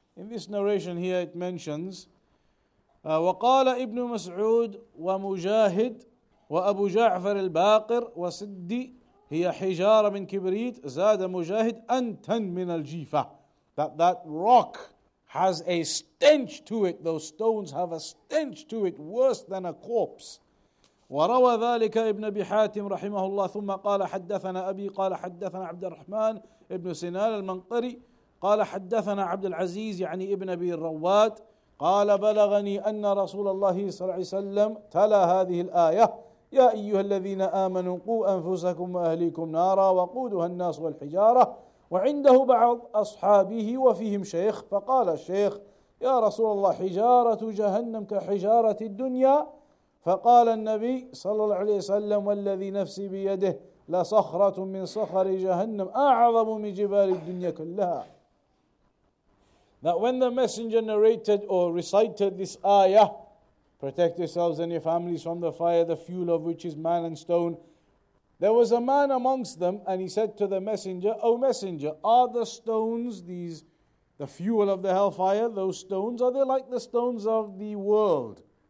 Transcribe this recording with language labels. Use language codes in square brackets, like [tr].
[en] In this narration here it mentions, [ar] وقال ابن مسعود ومجاهد وأبو جعفر الباقر وسدي هي حجارة من كبريت زاد مجاهد أنت من الجيفة. [en] That rock has a stench to it. Those stones have a stench to it worse than a corpse. [ar] وروى ذلك ابن أبي حاتم رحمه الله ثم قال حدثنا أبي قال حدثنا عبد الرحمن ابن سنان المنقري قال حدثنا عبد العزيز يعني ابن أبي الرواد قال بلغني أن رسول الله صلى الله عليه وسلم تلا هذه الآية يا أيها الذين آمنوا قوا أنفسكم وأهليكم نارا وقودها الناس والحجارة وعنده بعض أصحابه وفيهم شيخ فقال الشيخ يا رسول الله حجارة جهنم كحجارة الدنيا فقال النبي صلى الله عليه وسلم والذي نفسي بيده لصخرة من صخر جهنم أعظم من جبال الدنيا كلها. [en] That when the messenger narrated or recited this ayah, protect yourselves and your families from the fire, the fuel of which is man and stone, there was a man amongst them, and he said to the messenger, O messenger, are the stones, these, the fuel of the hellfire, those stones, are they like the stones of the world?